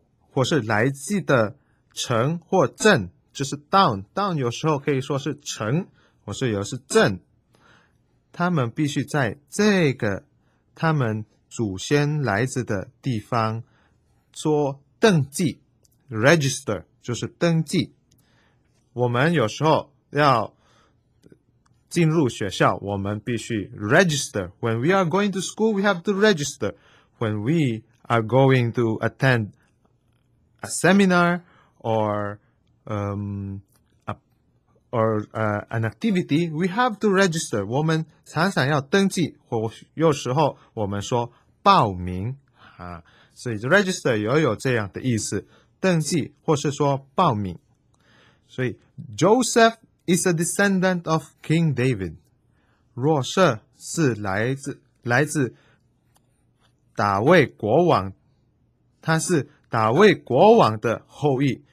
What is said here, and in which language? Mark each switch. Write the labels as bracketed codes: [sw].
[zh] 或是来自的城或镇，就是 town 有时候可以说是城，或是有时镇，他们必须在这个他们祖先来自的地方做登记， register 就是登记。我们有时候要进入学校，我们必须 register。 [en] When we are going to school, we have to register. When we are going to attend a seminar or an activity, we have to register. [zh] 我们常常要登记，或有时候我们说报名啊，所以 register 也有这样的意思，登记或是说报名。所以 [en] Joseph is a descendant of King David. [zh] 若瑟是来自大卫国王，他是大卫国王的后裔。